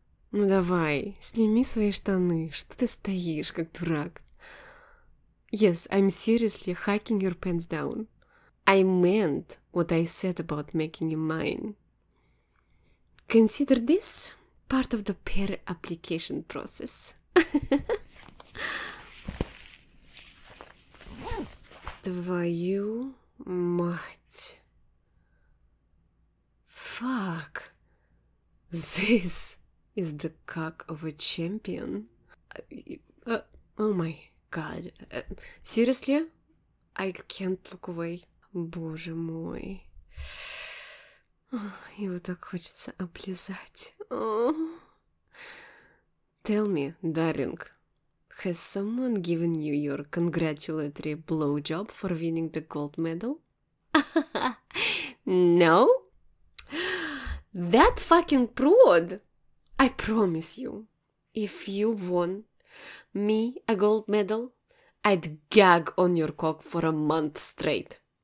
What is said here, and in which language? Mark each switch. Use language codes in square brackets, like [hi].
[ru] Ну давай, сними свои штаны, что ты стоишь, как дурак? [en] Yes, I'm seriously hiking your pants down. I meant what I said about making you mine. Consider this part of the pair application process. [ru] Твою мать. [en] Fuck. This is the cock of a champion. Oh my god. Seriously? I can't look away. [ru] Боже мой. Его так хочется облизать. [en] Tell me, darling. Has someone given you your congratulatory blowjob for winning the gold medal? No? That fucking prod! I promise you, if you won me a gold medal, I'd gag on your cock for a month straight.